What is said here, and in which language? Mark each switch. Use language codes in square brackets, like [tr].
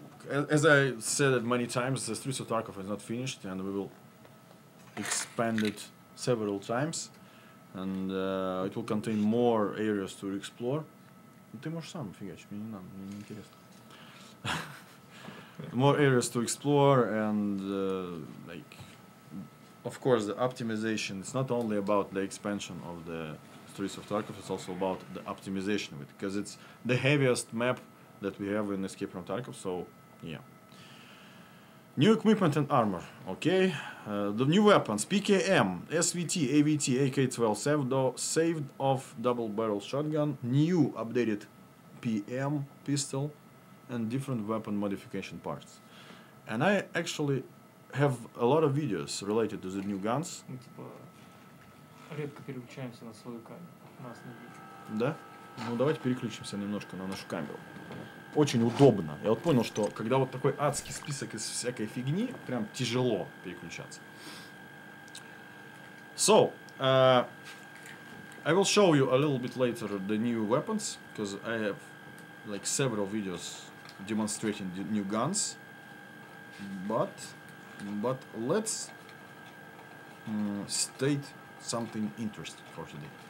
[en] As I said it many times, the Streets of Tarkov is not finished, and we will expand it several times. And it will contain more areas to explore. [ru] Ты можешь сам фигачить, мне не надо, мне не интересно. [en] More areas to explore, and, like... Of course, the optimization, it's not only about the expansion of the Streets of Tarkov, it's also about the optimization of it, because it's the heaviest map that we have in Escape from Tarkov, so, yeah. New equipment and armor, okay. The new weapons, PKM, SVT, AVT, AK-12, saved off double barrel shotgun, new updated PM pistol, and different weapon modification parts. And I actually... have a lot of videos related to the new guns. [ru] Мы типа редко переключаемся на свою камеру. Да? Ну давайте переключимся немножко на нашу камеру. Очень удобно. Я вот понял, что когда вот такой адский список из всякой фигни, прям тяжело переключаться. [en] So, I will show you a little bit later the new weapons, because I have like several videos demonstrating the new guns. But let's state something interesting for today.